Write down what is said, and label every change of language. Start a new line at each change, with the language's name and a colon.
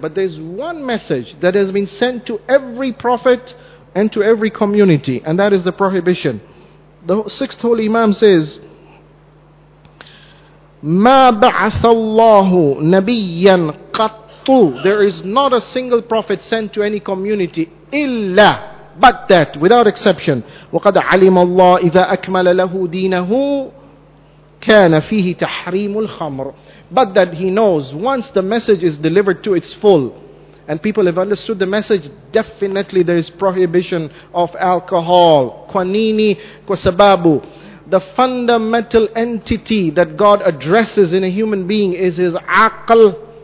English: But there's one message that has been sent to every prophet and to every community. And that is the prohibition. The sixth holy Imam says,
Arabic: مَا بَعَثَ اللَّهُ نَبِيًّا قَطُّ.
English: There is not a single prophet sent to any community
Arabic: إِلَّا.
English: But that, without exception,
Arabic: وَقَدْ عَلِمَ اللَّهُ إِذَا أَكْمَلَ لَهُ دِينَهُ كَانَ فِيهِ تَحْرِيمُ الْخَمْرُ.
English: But that He knows, once the message is delivered to its full, and people have understood the message, definitely there is prohibition of alcohol.
Swahili: Kwanini kwasababu.
English: The fundamental entity that God addresses in a human being is His aql.